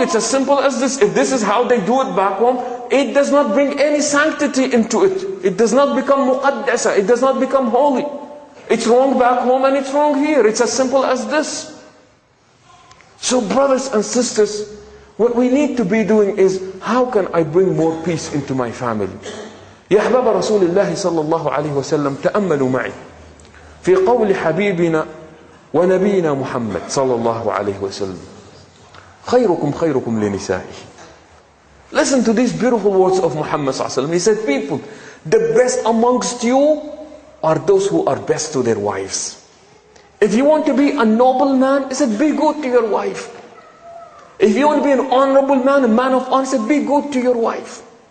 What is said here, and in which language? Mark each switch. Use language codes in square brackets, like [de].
[en] It's as simple as this. If this is how they do it back home, it does not bring any sanctity into it. It does not become muqaddasa. It does not become holy. It's wrong back home and it's wrong here. It's as simple as this. So brothers and sisters, what we need to be doing is, how can I bring more peace into my family? [ar] يا أحباب رسول الله صلى الله عليه وسلم تأملوا معي في قول حبيبنا ونبينا محمد صلى الله عليه وسلم خيركم خيركم لنسائه. [en] Listen to these beautiful words of Muhammad صلى الله عليه وسلم. He said, people, the best amongst you are those who are best to their wives. If you want to be a noble man, he said, be good to your wife. If you want to be an honorable man, a man of honor, he said, be good to your wife.